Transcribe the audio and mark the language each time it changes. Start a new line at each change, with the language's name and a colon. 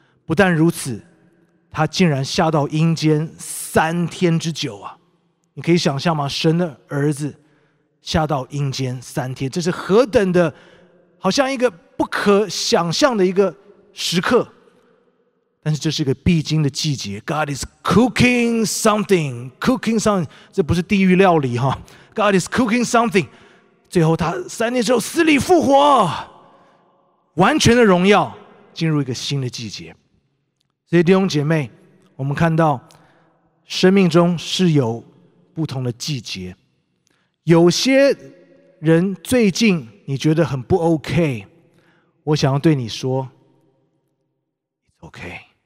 Chinese: 不但如此，他竟然下到阴间3天之久啊！你可以想象吗？神的儿子下到阴间3天，这是何等的，好像一个不可想象的一个时刻。但是这是一个必经的季节。
English: God is cooking something， cooking something，
Chinese: 这不是地狱料理哈。
English: God is cooking something。
Chinese: 最后他3天之后死里复活，完全的荣耀，进入一个新的季节。所以弟兄姐妹，我们看到生命中是有不同的季节。有些人最近你觉得很不 OK， 我想要对你说 OK。